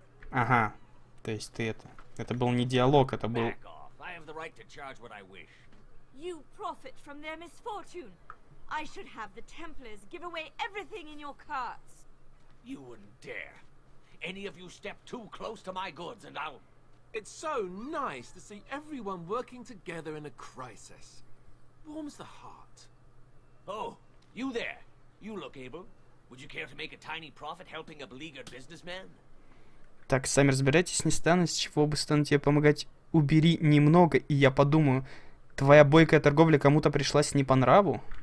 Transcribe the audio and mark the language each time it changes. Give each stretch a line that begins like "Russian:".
Russian: Ага, то есть ты это... Это был не диалог, это был...
English: You profit from their misfortune. I should have the Templars give away everything in your carts. You wouldn't dare. Any of you step too close to my goods and I'll... It's so nice to see everyone working together in a crisis. Warms the heart. Oh, you there. You look able. Would you care to make a tiny profit helping a beleaguered businessman?
Russian: Так, сами разбирайтесь, не стану, с чего бы стану тебе помогать. Убери немного, и я подумаю, твоя бойкая торговля кому-то пришлась не по нраву?